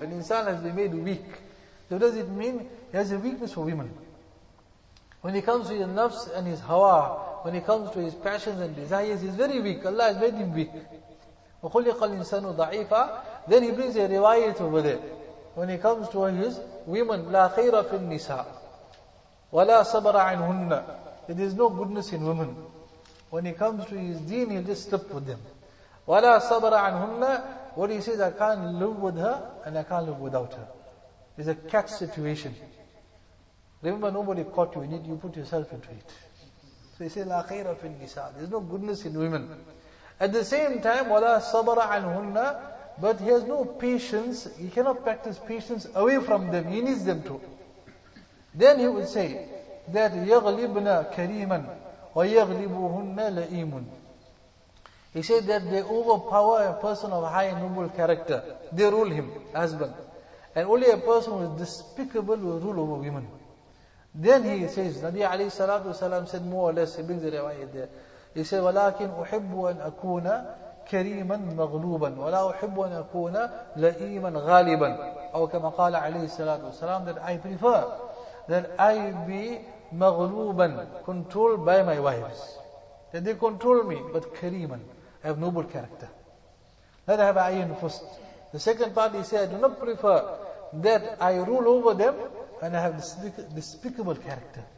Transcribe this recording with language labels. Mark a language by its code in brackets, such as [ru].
[en] And insan has been made weak. So does it mean he has a weakness for women? When he comes to his nafs and his hawa, when he comes to his passions and desires, he's very weak. Allah has made him weak. [ar] وَخُلِقَ الْإِنسَانُ ضَعِيفًا. [en] Then he brings a riwayat over there. When he comes to his women, [ar] لَا خَيْرَ فِي النِّسَاءِ وَلَا صَبَرَ عَنْهُنَّ. [en] There is no goodness in women. When he comes to his deen, he'll just slip with them. [ar] وَلَا صَبَرَ عَنْهُنَّ. [en] What he says, I can't live with her and I can't live without her. It's a catch situation. Remember, nobody caught you in it, you put yourself into it. So he says, [ar] لَا خَيْرَ فِي النِّسَاءِ. [en] There's no goodness in women. At the same time, [ar] وَلَا صَبَرَ عَنْهُنَّ. [en] But he has no patience, he cannot practice patience away from them, he needs them too. Then he would say that [ar] يَغْلِبْنَا كَرِيمًا وَيَغْلِبُهُنَّ لَئِيمٌ. [en] He said that they overpower a person of high and noble character. They rule him, husband. And only a person who is despicable will rule over women. Then he says, Nabi alayhi salatu wasalam said more or less, he brings the riwayat there. He said, [ar] وَلَكِنْ أُحِبُّ أَنْ أَكُونَ كَرِيمًا مَغْلُوبًا وَلَا أُحِبُّ أَنْ أَكُونَ لَئِيمًا غَالِبًا. أو كما قال عليه الصلاة والسلام, [en] that I prefer that I be [ar] مغلوبًا, [en] controlled by my wives. That they control me, but كَرِيمًا, I have noble character. That I have iron fist. The second part he said, I do not prefer that I rule over them and I have despicable character.